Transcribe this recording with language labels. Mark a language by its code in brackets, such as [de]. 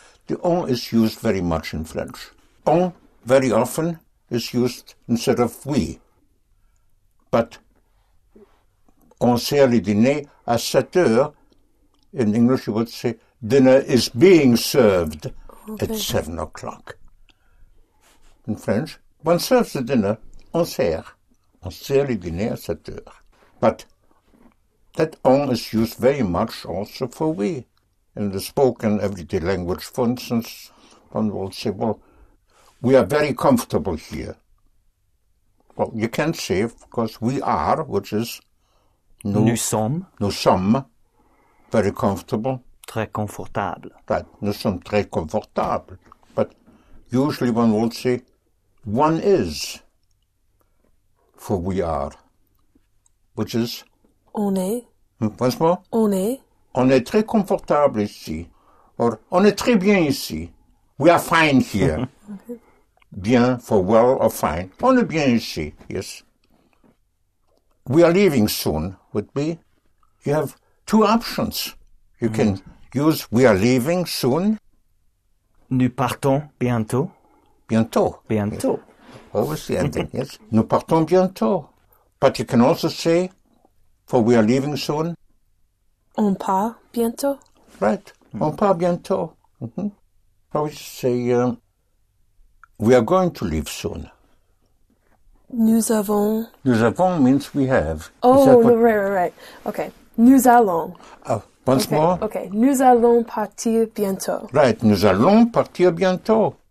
[en] The on is used very much in French. On very often is used instead of oui. [fr] But on sert le dîner à 7 heures. [en] In English, you would say dinner is being served at 7 o'clock. In French, one serves the dinner, [fr] on sert le dîner à 7 heures. [en] But that on is used very much also for oui. In the spoken everyday language, for instance, one will say, well, we are very comfortable here. Well, you can say, of course, we are, which is [fr] nous sommes. Nous sommes [en] very comfortable. [fr] Très confortable. [en] Right. [fr] Nous sommes très confortables. [en] But usually one will say, one is, for we are, which is [fr] on est. [en] Once more? [fr] On est. On est très confortable ici. Or, on est très bien ici. [en] We are fine here. Bien for well or fine. [fr] On est bien ici, [en] yes. We are leaving soon, would be. You have two options. You can use we are leaving soon. [fr] Nous partons bientôt. Bientôt. Bientôt. [en] Yes. Always the ending, yes. [fr] Nous partons bientôt. [en] But you can also say, for we are leaving soon. [fr] On part bientôt. Right. Mm-hmm. On part bientôt. Mm-hmm. [en] I would say, we are going to leave soon. [fr] Nous avons [en] means we have. Oh, right. Okay. [fr] Nous allons. [en] Once more. Okay. [fr] Nous allons partir bientôt. [en] Right. [fr] Nous allons partir bientôt.